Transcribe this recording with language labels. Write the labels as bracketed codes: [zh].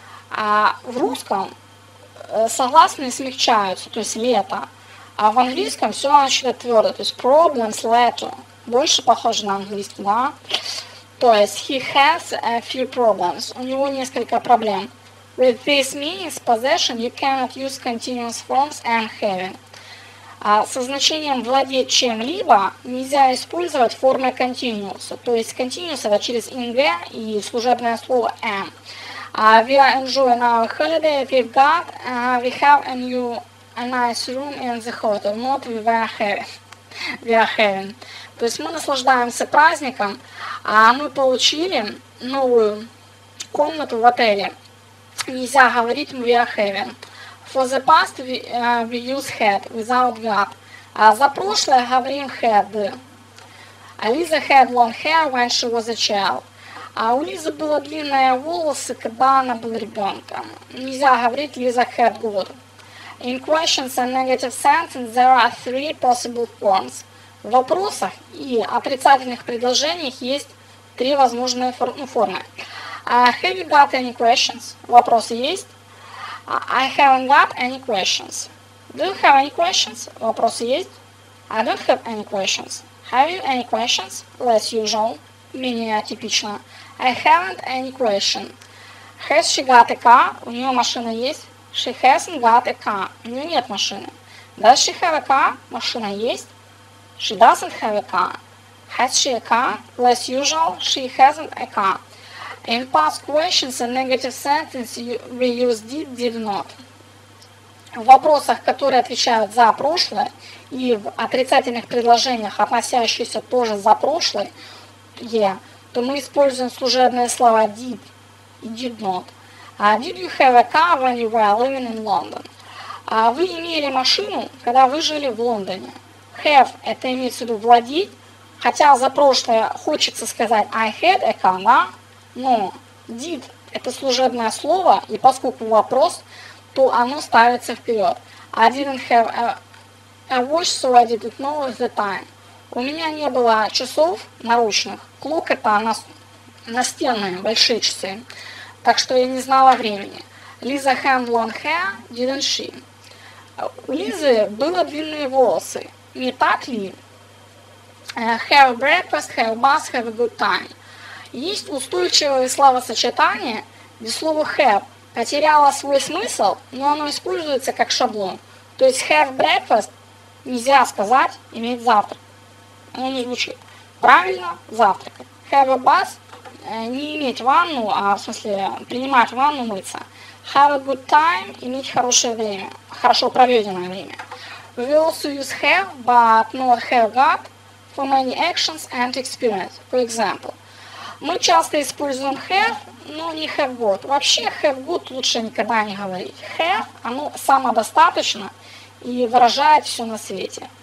[ru] В русском согласные смягчаются, то есть letter. А в английском все значит твердо, то есть problems letter. Больше похоже на английский, да? То есть, [en] he has a few problems. [ru] У него несколько проблем. [en] With this means, possession, you cannot use continuous forms and having. [ru] Со значением владеть чем-либо нельзя использовать формы continuous. То есть, continuous это через ing и служебное слово am. [en] We are enjoying our holiday. We've got, we have a new, a nice room in the hotel. Not we were having. We are having. [ru] То есть мы наслаждаемся праздником, а мы получили новую комнату в отеле. Нельзя говорить [en] we are having. For the past we use had without got. [ru] А за прошлое говорим had. [en] Лиза had long hair when she was a child. [ru] А у Лизы было длинные волосы, когда она была ребенком. Нельзя говорить Лиза [en] had got. In questions and negative sentences there are three possible forms. [ru] В вопросах и отрицательных предложениях есть три возможные формы. [en] Have you got any questions? [ru] Вопросы есть? [en] I haven't got any questions. Do you have any questions? [ru] Вопросы есть? [en] I don't have any questions. Have you any questions? Less usual. [ru] Менее типично. [en] I haven't any question. Has she got a car? [ru] У нее машина есть? [en] She hasn't got a car. [ru] У нее нет машины. [en] Does she have a car? [ru] Машина есть? [en] She doesn't have a car. Has she a car? Less usual, she hasn't a car. In past questions and negative sentences, we use did, did not. [ru] В вопросах, которые отвечают за прошлое, и в отрицательных предложениях, относящихся тоже за прошлое, то мы используем служебные слова did и did not. [en] Did you have a car when you were living in London? [ru] Вы имели машину, когда вы жили в Лондоне. Have – это имеется в виду владеть, хотя за прошлое хочется сказать [en] I had a car, [ru] да? Но did – это служебное слово, и поскольку вопрос, то оно ставится вперед. [en] I didn't have a watch, so I didn't know the time. [ru] У меня не было часов наручных. Clock – это настенные большие часы, так что я не знала времени. [en] Lisa had long hair, didn't she? [ru] У Лизы было длинные волосы. Не так ли? [en] Have breakfast, have bus, have a good time. [ru] Есть устойчивое словосочетание, где слово have потеряло свой смысл, но оно используется как шаблон. То есть have breakfast нельзя сказать иметь завтрак. Оно не звучит. Правильно, завтракать. Have a bus не иметь ванну, а в смысле принимать ванну, мыться. Have a good time иметь хорошее время, хорошо проведенное время. [en] We also use have, but not have got for many actions and experience. For example, [ru] мы часто используем have, но не have got. Вообще have got лучше никогда не говорить. Have, оно самодостаточно и выражает все на свете.